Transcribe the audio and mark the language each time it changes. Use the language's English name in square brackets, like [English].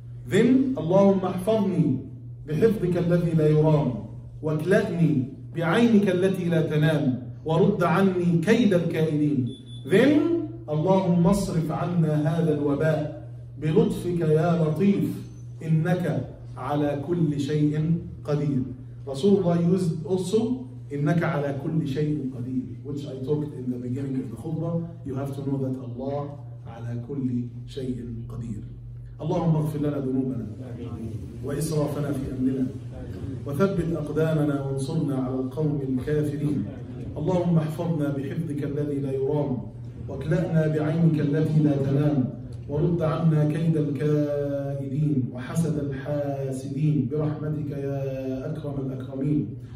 [English] Then [Arabic] اللهم احفظني بحفظك الذي لا يرام واكلأني بعينك التي لا تنام ورد عني كيد الكائدين. [English] Then [Arabic] اللهم اصرف عنا هذا الوباء بلطفك يا لطيف إنك على كل شيء قدير. [English] رسول الله used also [Arabic] إنك على كل شيء قدير, [English] which I talked in the beginning of the khutbah. You have to know that Allah [Arabic] على كل شيء قدير. اللهم اغفر لنا ذنوبنا وإسرافنا في أمرنا وثبت أقدامنا وانصرنا على القوم الكافرين. اللهم احفظنا بحفظك الذي لا يرام واكلأنا بعينك التي لا تنام ورد عنا كيد الكائدين وحسد الحاسدين برحمتك يا أكرم الأكرمين.